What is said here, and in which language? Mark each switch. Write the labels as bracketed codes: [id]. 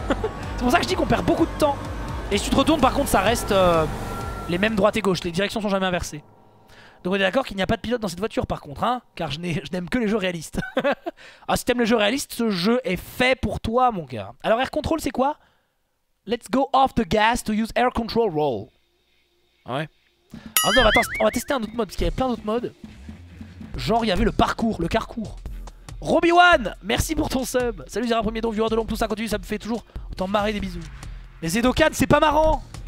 [fr] C'est pour ça que je dis qu'on perd beaucoup de temps. Et si tu te retournes, par contre, ça reste les mêmes droite et gauche. Les directions sont jamais inversées. Donc, on est d'accord qu'il n'y a pas de pilote dans cette voiture, par contre, hein. Car je n'aime que les jeux réalistes. Ah, si t'aimes les jeux réalistes, ce jeu est fait pour toi, mon gars. Alors, air control, c'est quoi? [en] Let's go off the gas to use air control roll. [fr] Ouais. Alors, on va tester un autre mode, parce qu'il y avait plein d'autres modes. Genre, il y avait le parcours, le carcours. Robiwan, merci pour ton sub. Salut, Zera, premier don, viewer de l'ombre, tout ça continue, ça me fait toujours autant marrer, des bisous. Les Edokan, c'est pas marrant.